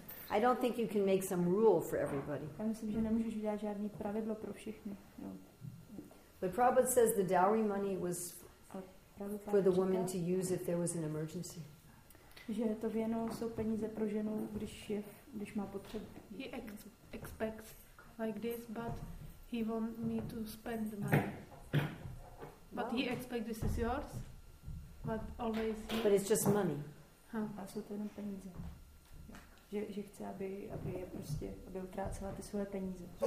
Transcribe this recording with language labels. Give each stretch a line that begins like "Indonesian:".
English: I don't think you can make some rule for everybody.
Czech: Já myslím, že nemůžeš udělat žádný pravidlo pro všechny.
English: But Prabhupada says the dowry money was for the woman to use if there was an emergency.
Czech: Že to věno jsou peníze pro ženu, když má potřebu.
English: He expects like this, but he want me to spend the money. But he expects this is yours, but always. But it's just money.
Czech: A jsou to jenom peníze. Že chce, aby utrácela ty svoje peníze.